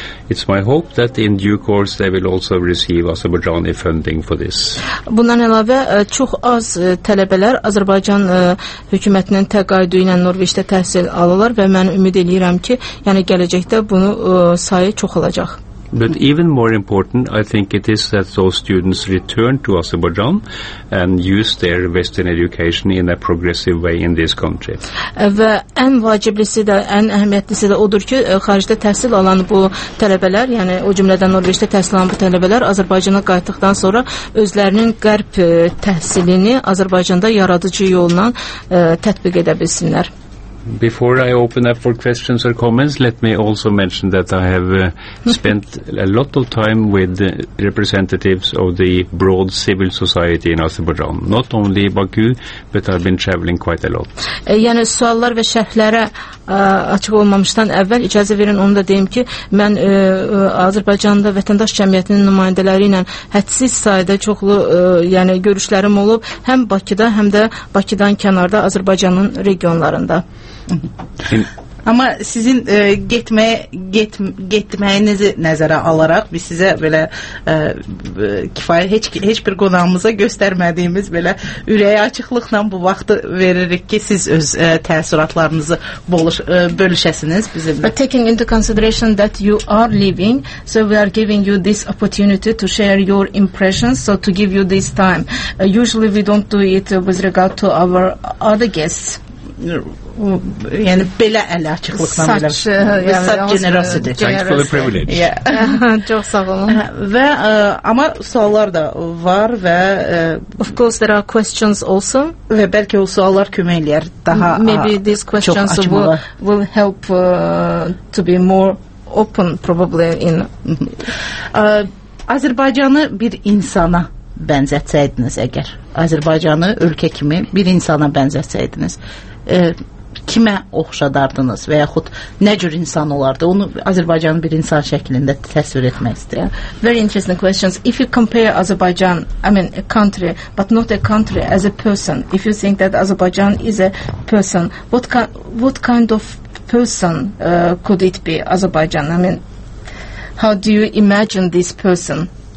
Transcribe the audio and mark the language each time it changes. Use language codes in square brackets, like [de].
[en] It's my hope that in due course they will also receive Azerbaijani funding for this. [az] Bundan əlavə çox az tələbələr Azərbaycan hökumətinin təqaüdü ilə Norveçdə təhsil alırlar və mən ümid edirəm ki, yəni gələcəkdə bunu sayı çoxalacaq. [en] But even more important, I think it is that those students return to Azerbaijan and use their Western education in a progressive way in this country. [az] Və ən vaciblisi də, ən əhəmiyyətlisi də odur ki, xaricdə təhsil alan bu tələbələr, yəni o cümlədən Norveçdə təhsil alan bu tələbələr Azərbaycana qayıtdıqdan sonra özlərinin qərb təhsilini Azərbaycanda yaradıcı yolla tətbiq edə bilsinlər. [en] Before I open up for questions or comments, let me also mention that I have spent a lot of time with representatives of the broad civil society in Azerbaijan. Not only Baku, but I've been traveling quite a lot. [az] Yəni, suallar və şərhlərə açıq olmamışdan əvvəl, icazə verin, onu da deyim ki, mən Azərbaycanda vətəndaş cəmiyyətinin nümayəndələri ilə hədsiz sayda çoxlu yəni, görüşlərim olub, həm Bakıda, həm də Bakıdan kənarda Azərbaycanın regionlarında. Amma sizin getməyinizi nəzərə alaraq biz sizə belə kifayət heç bir qonağımıza göstərmədiyimiz belə ürəyi açıqlıqla bu vaxtı veririk ki siz öz təəssüratlarınızı bölüşəsiniz bizimlə. [en] But taking into consideration that you are leaving, so we are giving you this opportunity to share your impressions, so to give you this time. Usually we don't do it with regard to our other guests. [az] Yəni belə əli açıqlıqla belə. [en] Such generosity. Thanks for the privilege. [az] Yeah. Çox sağ olun. Və amma suallar da var və [en] of course there are questions also. [az] Və bəlkə o suallar kömək eləyər daha. [en] Maybe these questions will help to be more open probably in [az] Azərbaycanı bir insana bənzətsəydiniz əgər. Azərbaycanı ölkə kimi bir insana bənzətsəydiniz. Kimə oxşadardınız və yaxud nə cür insan olardı? Onu Azərbaycanı bir insan şəklində təsvir etmək istəyir. [en] Very interesting questions. If you compare Azerbaijan, I mean a country, but not a country, as a person, if you think that Azerbaijan is a person, what kind of person could it be, Azerbaijan? I mean, how do you imagine this person?